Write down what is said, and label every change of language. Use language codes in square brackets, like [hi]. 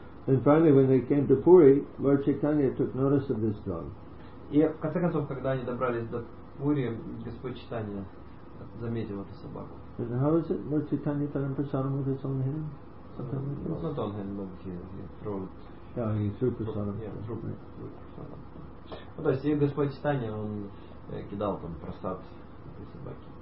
[en] And finally, when they came to Puri, Lord Chaitanya took notice of this dog. [ru] И в конце концов, когда они добрались до Пури, Господь Чайтанья заметил эту собаку. [en] And how is it? Lord Chaitanya threw prasadam with his own hand? Not on hand, but he threw prasadam. [ru] Right. Ну, то есть, и Господь Чайтанья, он кидал там прасад этой собаке.